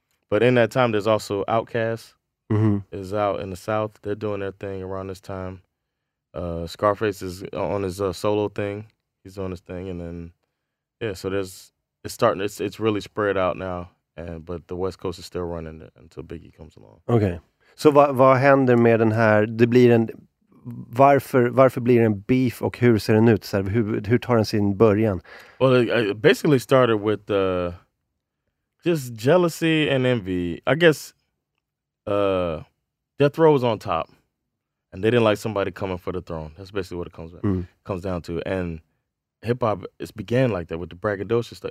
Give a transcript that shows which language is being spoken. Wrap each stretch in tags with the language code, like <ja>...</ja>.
<en>But in that time, there's also Outkast is out in the South. They're doing their thing around this time. Scarface is on his solo thing. He's doing his thing, and then so there's it's really spread out now, but the West Coast is still running until Biggie comes along.</en> <sv>Okay, so vad händer med den här? Det blir en varför blir en beef och hur ser den ut? Så här, hur tar den sin början?</sv> <en>Well, it basically started with just jealousy and envy, I guess. Death Row was on top, and they didn't like somebody coming for the throne. That's basically what it comes down to, and hip-hop, it began like that with the braggadocious stuff.</en>